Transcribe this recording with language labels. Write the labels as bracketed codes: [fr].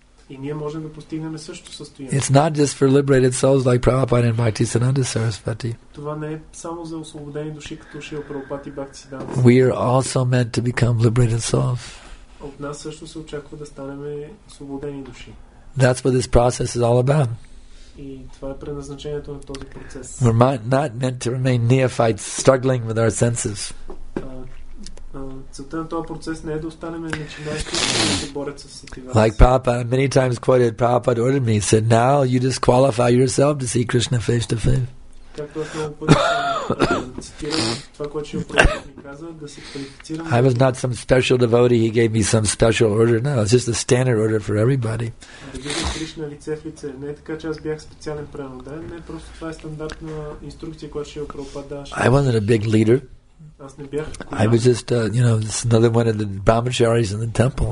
[bg] И ние можем да постигнем същото състояние. [en] It's not just for liberated souls like Prabhupada and Bhaktisiddhanta Sarasvati. [bg] Това не е само за освободени души като Шрила Прабхупада и Бхактисиддханта. [en] We are also meant to become liberated souls. [bg] От нас също се очаква да станем освободени души. [en] That's what this process is all about. [bg] И това е предназначението на този процес. [en] We're not meant to remain neophytes struggling with our senses. [bg] Целта на този процес не е да останем начинаещи и да борят с сетивата. [en] Like Prabhupada, many times quoted, Prabhupada ordered me, said, now you disqualify yourself to see Krishna face to face. [bg] Както аз много пъти цитирам това, което Шрила Прабхупада ми каза, да се квалифицирам. [en] I was not some special devotee, he gave me some special order. No, it's just a standard order for everybody. [bg] Да видя Кришна лице в лице. Не е така, че аз бях специален правил. Да, не, просто това е стандартна инструкция, която Шрила Прабхупада даваше. [en] I wasn't a big leader. I was just, you know, this another one of the brahmacharis in the temple.